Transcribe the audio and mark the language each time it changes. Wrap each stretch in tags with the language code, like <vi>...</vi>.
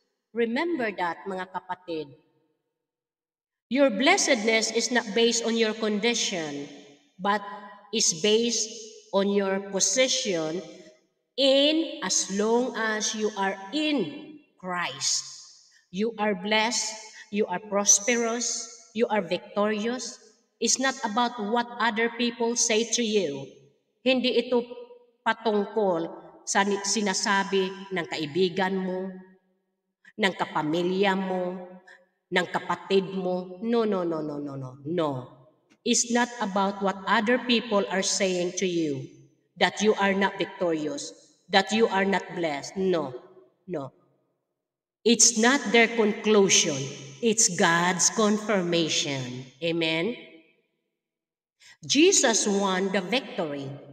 <en>Remember that,</en> <tl>mga kapatid.</tl> <en>Your blessedness is not based on your condition, but is based on your position in as long as you are in Christ. You are blessed. you are prosperous, you are victorious, is not about what other people say to you.</en> <tl>Hindi ito patungkol sa sinasabi ng kaibigan mo, ng kapamilya mo, ng kapatid mo.</tl> <en>No. It's not about what other people are saying to you that you are not victorious, that you are not blessed. No. It's not their conclusion. It's God's confirmation. Amen? Jesus won the victory.</en>